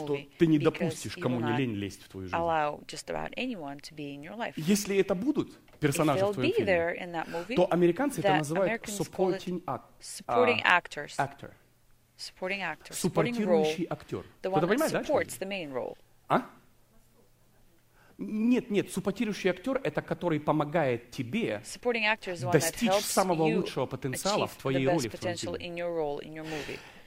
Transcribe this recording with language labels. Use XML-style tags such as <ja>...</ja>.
<ru>Потому что ты не допустишь, кому не лень лезть в твою жизнь.</ru> <en>Allow just about anyone to be in your life.</en> <ru>Если это будут персонажи</ru> <en>if</en> <ru>в твоем фильме,</ru> <en>there in that movie,</en> <ru>то американцы это называют supporting,</ru> <en>supporting actors. Actor. Supporting actor.</en> <ru>Суппортирующий актер. Кто-то понимает, да?</ru> <en>Supports the main role.</en> <ru>А? Нет, суппортирующий актер – это который помогает тебе достичь самого лучшего потенциала в твоей роли в твоем фильме.</ru>